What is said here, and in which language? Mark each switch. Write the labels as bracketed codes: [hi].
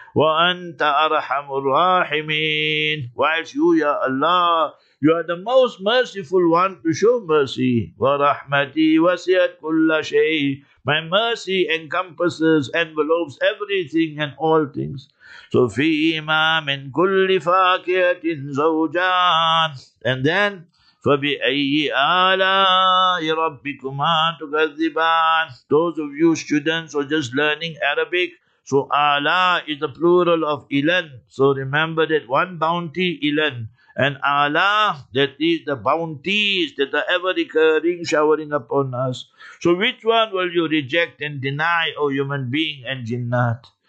[ar] وَأَنْتَ أَرْحَمُ الرَّاحِمِينَ. [en] Whilst you, Ya Allah, you are the most merciful one to show mercy. [ar] وَرَحْمَتِي وَسِيَتْ كُلَّ شَيْءٍ. [en] My mercy encompasses, envelopes everything and all things. [ar] So فِيهِمَا مِنْ كُلِّ فَاكِهَةٍ زَوْجَانٍ. [en] And then, [ar] فَبِأَيِّ آلَاءِ رَبِّكُمَا تُكَذِّبَانٍ. [en] Those of you students who are just learning Arabic, so ala is the plural of ilan. So remember that one bounty, ilan. And Allah, that is the bounties that are ever recurring, showering upon us. So which one will you reject and deny, O human being and jinnat?